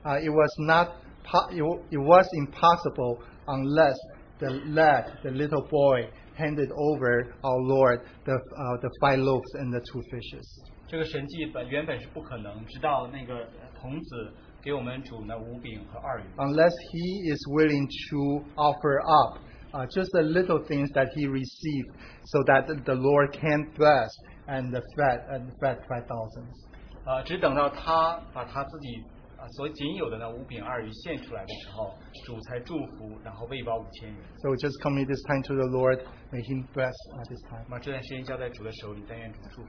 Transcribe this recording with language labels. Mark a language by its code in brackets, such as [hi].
[en] It was impossible unless the little boy handed over our Lord the five loaves and the two fishes. [zh] 这个神迹原本是不可能，直到那个童子给我们主那五饼和二鱼。 [en] Unless he is willing to offer up just the little things that he received, so that the Lord can bless and fed 5,000. [zh] 只等到他把他自己所仅有的那五饼二鱼献出来的时候，主才祝福，然后喂饱5,000人。 [en] So just commit this time to the Lord. May Him bless at this time. [zh] 把这段时间交在主的手里，但愿主祝福。